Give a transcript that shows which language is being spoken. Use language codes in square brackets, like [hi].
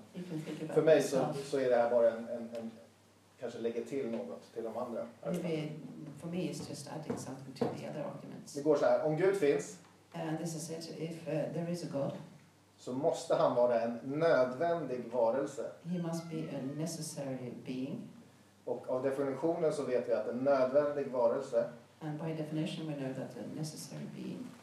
[sv] Men för mig så är det här bara en kanske lägger till något till de andra. [en] For me it's just adding something to the other arguments. [sv] Det går så här, om Gud finns. [en] This is it. If there is a God. [sv] Så måste han vara en nödvändig varelse. [en] He must be a necessary being. [sv] Och av definitionen så vet vi att en nödvändig varelse. [en] And by definition we know that a necessary being.